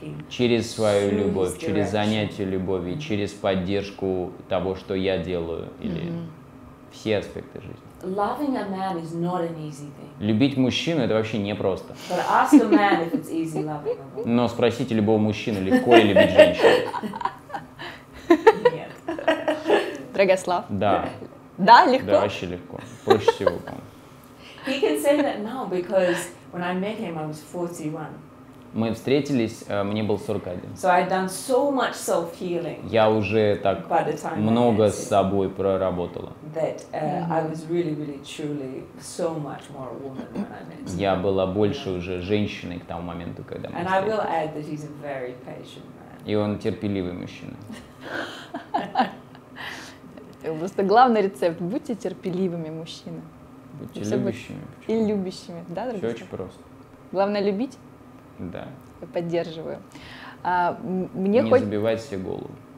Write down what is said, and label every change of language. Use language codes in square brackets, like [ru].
[ru] Через свою любовь, через занятие любовью, через поддержку того, что я делаю, или все аспекты жизни. [en] Loving a man is not an easy thing. [ru] Любить мужчину — это вообще непросто. [en] But ask a man if it's easy loving a woman. [ru] Но спросите любого мужчину, легко ли любить женщину. Нет. Драгослав. Да. Да, легко? Да, вообще легко. Проще всего, по-моему. [en] He can say that now because when I met him, I was 41. [ru] Мы встретились, мне был 41. [en] So I'd done so much self-healing. [ru] Я уже так много с собой проработала. [en] That I was really, really, truly so much more a woman when I met him. [ru] Я была больше уже женщиной к тому моменту, когда мы встретились. [en] And I will add that he's a very patient man. [ru] И он терпеливый мужчина. Просто главный рецепт: будьте терпеливыми, мужчины. Будьте любящими. И любящими, да, друзья? Все очень просто. Главное — любить. Да. Я поддерживаю. А, мне не забивать себе голову.